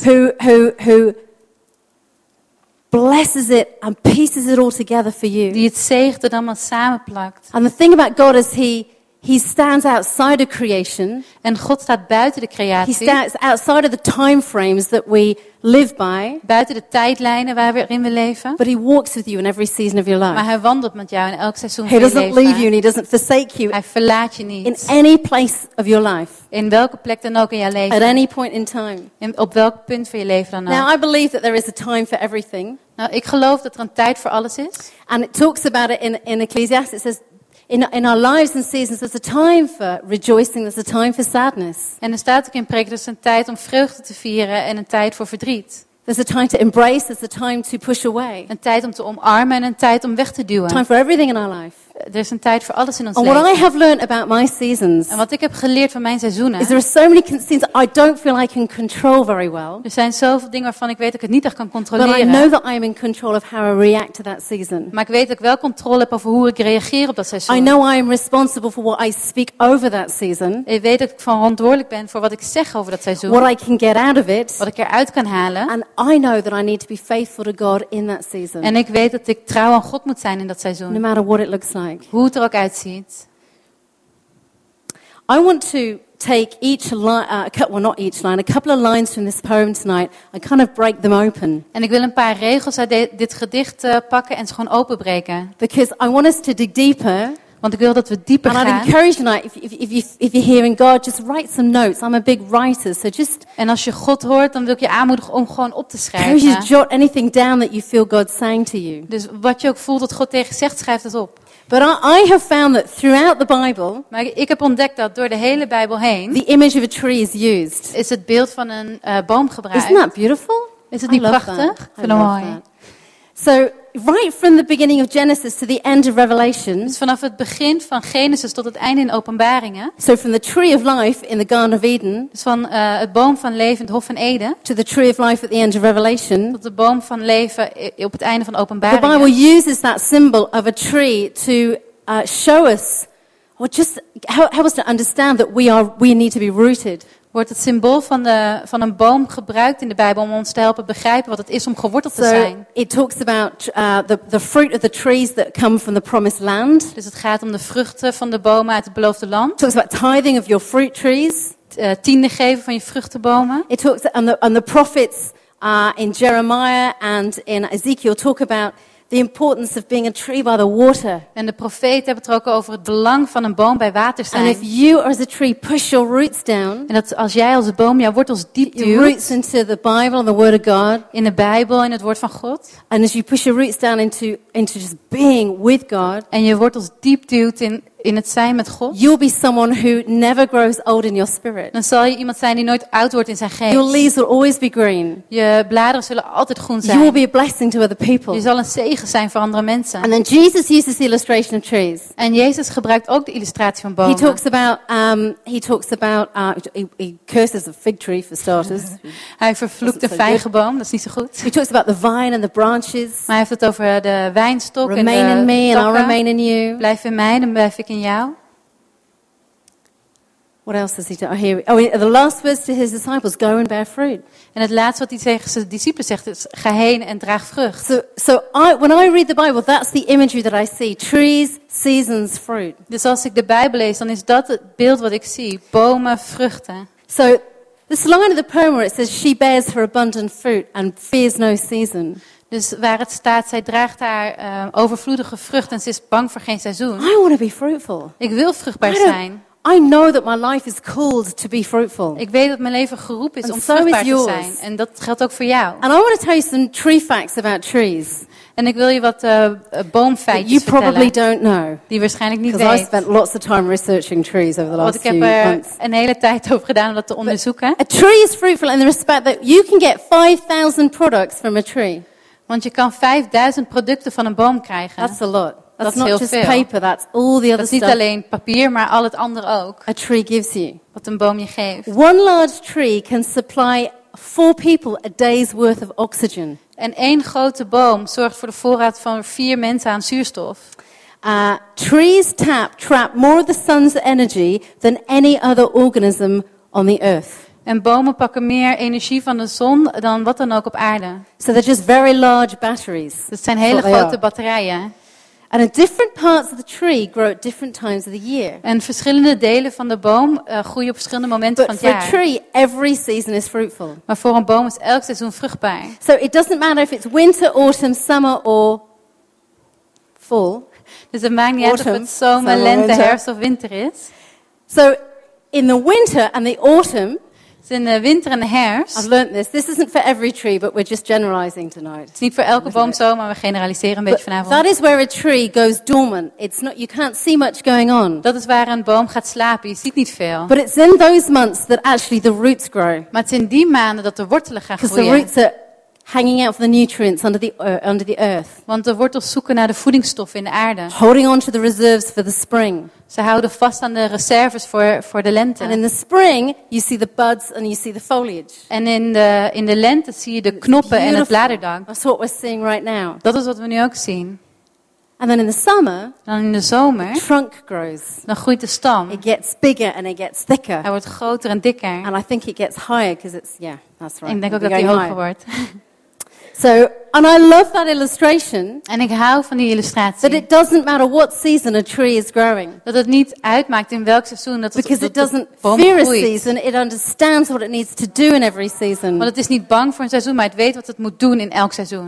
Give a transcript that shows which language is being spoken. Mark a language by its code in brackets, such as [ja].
[en] Who blesses it and pieces it all together for you. [nl] Die het zegt en allemaal samenplakt. [en] And the thing about God is He stands outside of creation. [nl] En God staat buiten de creatie. [en] He stands outside of the time frames that we live by. [nl] Buiten de tijdlijnen waarin we leven. [en] But he walks with you in every season of your life. [nl] Maar hij wandelt met jou in elk seizoen van je leven. [en] He doesn't leave you and he doesn't forsake you. [nl] Hij verlaat je niet. [en] In any place of your life. [nl] In welke plek dan ook in jouw leven. [en] At any point in time. [nl] Op welk punt van je leven dan ook. [en] Now I believe that there is a time for everything. [nl] Nou, ik geloof dat er een tijd voor alles is. [en] And it talks about it in Ecclesiastes. It says, In our lives and seasons, there's a time for rejoicing, there's a time for sadness. [nl] En er staat ook in preek, er is een tijd om vreugde te vieren en een tijd voor verdriet. [en] There's a time to embrace, there's a time to push away. [nl] Een tijd om te omarmen en een tijd om weg te duwen. [en] Time for everything in our life. [nl] Er is een tijd voor alles in ons [en] and [nl] leven. [en] What I have learned about my seasons, [nl] en wat ik heb geleerd van mijn seizoenen. [en] Is there are so many things I don't feel I can control very well. [nl] Er zijn zoveel dingen waarvan ik weet dat ik het niet echt kan controleren. [en] But I know that I am in control of how I react to that season. [nl] Maar ik weet dat ik wel controle heb over hoe ik reageer op dat seizoen. [en] I know I am responsible for what I speak over that season. [nl] Ik weet dat ik verantwoordelijk ben voor wat ik zeg over dat seizoen. [en] What I can get out of it. [nl] Wat ik eruit kan halen. [en] And I know that I need to be faithful to God in that season. [nl] En ik weet dat ik trouw aan God moet zijn in dat seizoen. [en] No matter what it looks like. [nl] Hoe het er ook uitziet. [en] I want to take each line, a couple of lines from this poem tonight and kind of break them open. [nl] En ik wil een paar regels uit dit gedicht pakken en ze gewoon openbreken. [en] Because I want us to dig deeper. [nl] Want ik wil dat we dieper [en] and [nl] gaan. [en] And I'd encourage you tonight, if you're hearing God, just write some notes. I'm a big writer, so just. [nl] En als je God hoort, dan wil ik je aanmoedigen om gewoon op te schrijven. [en] Can you jot anything down that you feel God saying to you? [nl] Dus wat je ook voelt dat God tegen zegt, schrijf dat op. [en] But I have found that throughout the Bible, [nl] maar ik heb ontdekt dat door de hele Bijbel heen, [en] the image of a tree is used. [nl] Is het beeld van een boom gebruikt. [en] Isn't that beautiful? [nl] Is het niet prachtig? Ik vind het mooi. [en] So, right from the beginning of Genesis to the end of Revelation. [nl] Dus vanaf het begin van Genesis tot het einde in Openbaringen. [en] So from the tree of life in the Garden of Eden. [nl] Dus van het boom van leven in het Hof van Eden. [en] To the tree of life at the end of Revelation. [nl] Tot de boom van leven op het einde van Openbaringen. [en] The Bible uses that symbol of a tree to show us, or just help us to understand that we need to be rooted. [nl] Wordt het symbool van een boom gebruikt in de Bijbel om ons te helpen begrijpen wat het is om geworteld te zijn. [en] So it talks about the fruit of the trees that come from the promised land. [nl] Dus het gaat om de vruchten van de bomen uit het beloofde land. [en] Talks about tithing of your fruit trees. [nl] Tiende geven van je vruchtenbomen. [en] It talks and the prophets in Jeremiah and in Ezekiel talk about the importance of being a tree by the water. [nl] En de profeten hebben het ook over het belang van een boom bij water zijn. [en] And if you as a tree push your roots down. [nl] En dat als jij als boom jouw wortels diep duwt. [en] Your roots into the Bible and the Word of God. [nl] In de Bijbel en het woord van God. [en] And as you push your roots down into just being with God. [nl] En je wortels diep duwt in het zijn met God. [en] You'll be someone who never grows old in your spirit. [nl] Dan zal je iemand zijn die nooit oud wordt in zijn geest. [en] Your leaves will always be green. [nl] Je bladeren zullen altijd groen zijn. [en] You will be a blessing to other people. [nl] Je zal een zegen zijn voor andere mensen. [en] And then Jesus uses the illustration of trees. [nl] En Jezus gebruikt ook de illustratie van bomen. [en] He curses a fig tree for starters. [nl] Hij vervloekt de vijgenboom. Dat is niet zo goed. [en] He talks about the vine and the branches. [nl] Maar hij heeft het over de wijnstok en de takken. [en] Remain in me and I'll remain in you. [nl] Blijf in mij en blijf ik in jou. [en] What else does he do? The last words to his disciples: go and bear fruit. [nl] En het laatste wat hij tegen zijn discipelen zegt is: ga heen en draag vrucht. [en] When I read the Bible, that's the imagery that I see: trees, seasons, fruit. [nl] Dus als ik de Bijbel lees, dan is dat het beeld wat ik zie: bomen, vruchten. [en] So this line of the poem where it says she bears her abundant fruit and fears no season. [nl] Dus waar het staat, zij draagt haar overvloedige vrucht en ze is bang voor geen seizoen. [en] I want to be fruitful. [nl] Ik wil vruchtbaar zijn. [en] I know that my life is called to be fruitful. [nl] Ik weet dat mijn leven geroepen is [en] and [nl] om [en] so [nl] vruchtbaar te zijn. En dat geldt ook voor jou. [en] And I want to tell you some tree facts about trees. [nl] En ik wil je wat boomfeitjes [en] that you probably [nl] vertellen. [en] Don't know. [nl] Die waarschijnlijk niet weet. [en] I spent lots of time researching trees over the last few months. [nl] Want ik heb er een hele tijd over gedaan om dat te onderzoeken. [en] But a tree is fruitful in the respect that you can get 5,000 products from a tree. [nl] Want je kan 5,000 producten van een boom krijgen. [en] That's a lot. That's not just paper. That's all the other stuff. [nl] Dat is niet alleen papier, maar al het andere ook. [en] A tree gives you. [nl] Wat een boom je geeft. [en] One large tree can supply 4 people a day's worth of oxygen. [nl] En één grote boom zorgt voor de voorraad van 4 mensen aan zuurstof. [en] Trees trap more of the sun's energy than any other organism on the earth. [nl] En bomen pakken meer energie van de zon dan wat dan ook op aarde. [en] So they're just very large batteries. [nl] Dat zijn hele grote batterijen. [en] And different parts of the tree grow at different times of the year. [nl] En verschillende delen van de boom groeien op verschillende momenten van het jaar. [en] But for a tree, every season is fruitful. [nl] Maar voor een boom is elk seizoen vruchtbaar. [en] So it doesn't matter if it's winter, autumn, summer or fall. [nl] Dus het maakt niet uit of het zomer, lente, herfst of winter is. [en] So in the winter and the autumn. [nl] In de winter en de herfst. [en] I've learned this. This isn't for every tree, but we're just generalizing tonight. [nl] Het is niet voor elke boom zo, maar we generaliseren een beetje vanavond. [en] That is where a tree goes dormant. It's not. You can't see much going on. [nl] Dat is waar een boom gaat slapen. Je ziet niet veel. [en] But it's in those months that actually the roots grow. [nl] Maar het is in die maanden dat de wortelen gaan groeien. [en] Because the roots are hanging out for the nutrients under the earth. [nl] Want de wortels zoeken naar de voedingsstoffen in de aarde. [en] Holding on to the reserves for the spring. [nl] Ze houden vast aan de reserves voor de lente. [en] And in the spring you see the buds and you see the foliage. [nl] En in de lente zie je de knoppen en het bladerdak. [en] That's what we're seeing right now. [nl] Dat is wat we nu ook zien. [en] And then in the summer, [nl] dan in de zomer, [en] the trunk grows. [nl] Dan groeit de stam. [en] It gets bigger and it gets thicker. [nl] Hij wordt groter en dikker. [en] And I think it gets higher because it's yeah, that's right. [nl] En ik denk ook dat hij hoger wordt. [en] So, and I love that illustration. [nl] En ik hou van die illustratie. [en] That it doesn't matter what season a tree is growing. [nl] Dat het niet uitmaakt in welk seizoen dat het groeit. [en] Because it doesn't fear a season, it understands what it needs to do in every season. [nl] Want het is niet bang voor een seizoen, maar het weet wat het moet doen in elk seizoen.